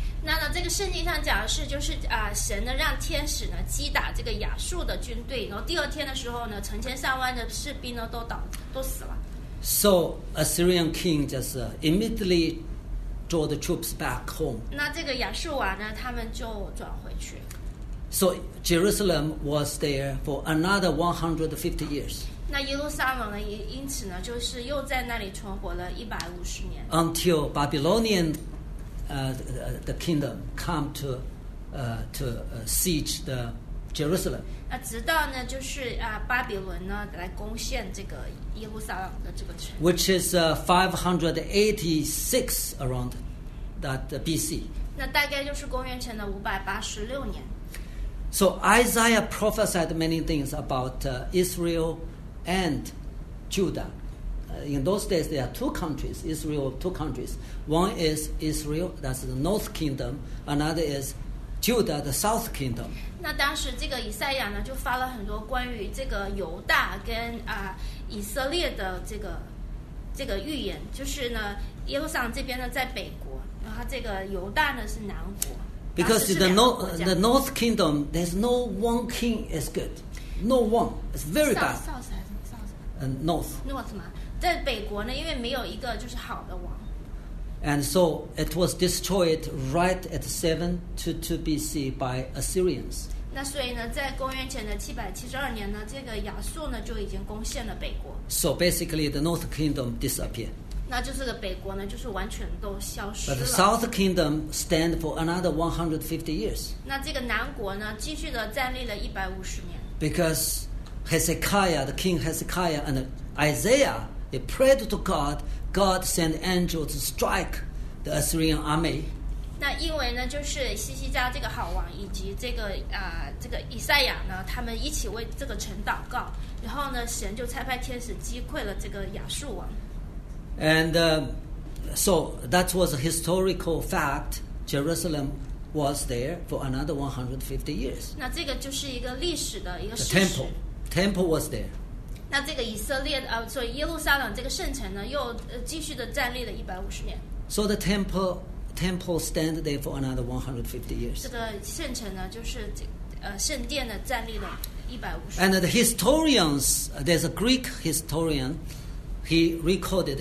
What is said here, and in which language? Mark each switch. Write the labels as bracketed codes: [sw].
[zh] 那呢，这个圣经上讲的是，就是神呢让天使呢击打这个亚述的军队，然后第二天的时候呢，成千上万的士兵呢都死了。 [en] So Assyrian king just immediately draw the troops back home. [zh] 那这个亚述王呢，他们就转回去。 [en] So Jerusalem was there for another 150 years. [zh] 那耶路撒冷呢，因此呢，就是又在那里存活了150年。 [en] Until Babylonian, the kingdom come to, siege the Jerusalem. [zh] 那直到呢，就是巴比伦呢来攻陷这个耶路撒冷的这个城。 [en] Which is 586 around that BC. [zh] 那大概就是公元前的586年。 [en] So Isaiah prophesied many things about Israel and Judah. In those days, there are two countries. Israel, two countries. One is Israel, that's the North Kingdom. Another is Judah, the South Kingdom. [zh] 那当时这个以赛亚呢，就发了很多关于这个犹大跟以色列的这个预言，就是呢，耶路撒冷这边呢在北国，然后这个犹大呢是南国。 [en] Because the North Kingdom, there's no one king is good. No one. It's very bad. North. [zh] North 嘛，在北国呢，因为没有一个就是好的王。 [en] And so it was destroyed right at 722 BC by Assyrians. [zh] 那所以呢，在公元前的772年呢，这个亚述呢就已经攻陷了北国。 [en] So basically, the North Kingdom disappeared. [zh] 那就是个北国呢，就是完全都消失了。 [en] But the South Kingdom stand for another 150 years. [zh] 那这个南国呢，继续的站立了150年。 [en] Because Hezekiah, the king Hezekiah and Isaiah, they prayed to God. God sent angels to strike the Assyrian army. [zh] 那因为呢，就是西西家这个好王以及这个以赛亚呢，他们一起为这个城祷告，然后呢，神就差派天使击溃了这个亚述王。 [en] And so that was a historical fact. Jerusalem was there for another 150 years. [zh] 那这个就是一个历史的一个事实。 [en] The temple, was there. [zh] 那这个以色列所以耶路撒冷这个圣城呢，又继续的站立了150年。 [en] So the temple stand there for another 150 years. [zh] 这个圣城呢，就是圣殿呢，站立了150年。 [en] And the historians, there's a Greek historian. He recorded.